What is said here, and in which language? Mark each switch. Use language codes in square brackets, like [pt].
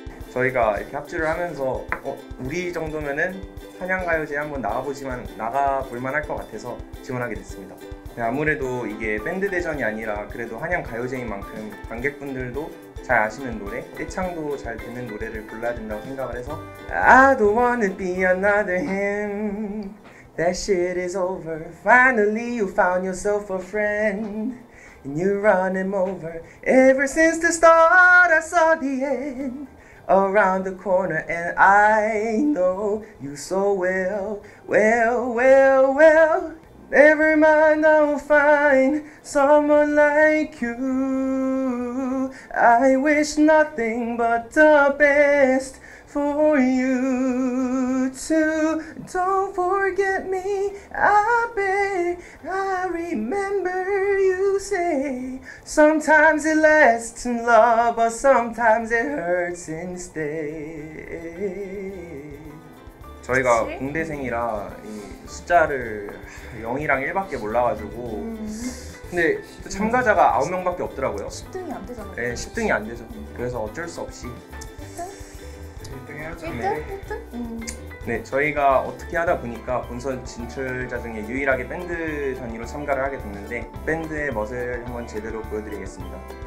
[ko] 저희가 이렇게 합주를 하면서 우리 정도면은 한양가요제 한번 나가볼 만할 것 같아서 지원하게 됐습니다. 아무래도 이게 밴드 대전이 아니라 그래도 한양가요제인 만큼 관객분들도 잘 아시는 노래, 떼창도 잘 되는 노래를 골라야 된다고 생각을 해서 [en] I don't wanna be another him. That shit is over. Finally, you found yourself a friend. And you run him over. Ever since the start, I saw the end. Around the corner, and I know you so well. Well. Never mind, I'll find someone like you. I wish nothing but the best. For you too, don't forget me. I beg, I remember you say. Sometimes it lasts in love, but sometimes it hurts instead. [ko] 저희가 그치? 공대생이라 숫자를 0이랑 1밖에 몰라가지고. 근데 또 참가자가 9명밖에 없더라고요. 10등이 안 되잖아요, 네, 그러면 10등이 그치? 안 되죠. 그래서 어쩔 수 없이. 1등? 네, 저희가 어떻게 하다 보니까 본선 진출자 중에 유일하게 밴드 단위로 참가를 하게 됐는데, 밴드의 멋을 한번 제대로 보여드리겠습니다.